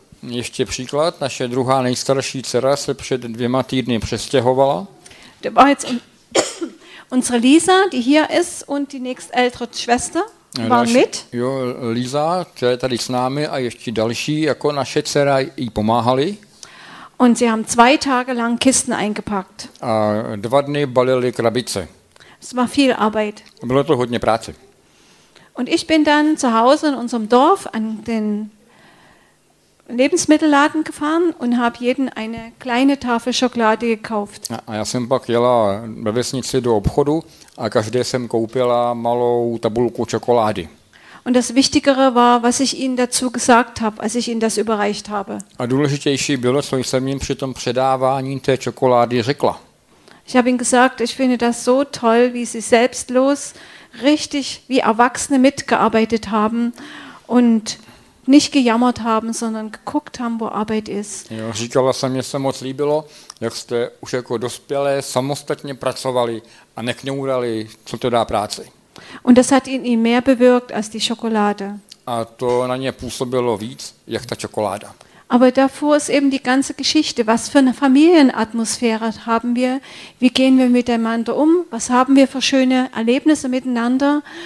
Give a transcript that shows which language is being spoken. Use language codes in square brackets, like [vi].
[cs] Ještě příklad, naše druhá nejstarší dcera se před 2 týdny přestěhovala. [de] Da war jetzt unsere Lisa, die hier ist, und die nächstältere Schwester war mit. [cs] Jo, Lisa, která je tady s námi, a ještě další, jako naše dcera, jí pomáhali. [de] Und sie haben 2 Tage lang Kisten eingepackt. [cs] A 2 dny balili krabice. [de] Es war viel Arbeit. [cs] Bylo to hodně práce. [de] Und ich bin dann zu Hause in unserem Dorf an den Lebensmittelladen gefahren und habe jeden eine kleine Tafel Schokolade gekauft. [cs] A já jsem pak jela ve vesnici do obchodu a každé jsem koupila malou tabulku čokolády. [de] Und das Wichtigere war, was ich ihnen dazu gesagt habe, als ich ihnen das überreicht habe. [cs] A důležitější bylo, co jsem jim při tom předávání té čokolády řekla. [de] Ich habe ihnen gesagt, ich finde das so toll, wie sie selbstlos richtig wie Erwachsene mitgearbeitet haben und nicht gejammert haben, sondern geguckt haben, wo Arbeit ist. [cs] Jo, říkala jsem, mě se moc líbilo, jak jste už jako dospělé samostatně pracovali a nekňourali, co to dá práci. [de] Und das hat in ihm mehr bewirkt als die Schokolade. [cs] A to na ně působilo víc, jak ta čokoláda. [de] Aber davor ist eben die ganze Geschichte. Was für eine Familienatmosphäre haben wir? Wie gehen wir miteinander um? Was haben wir für schöne Erlebnisse miteinander?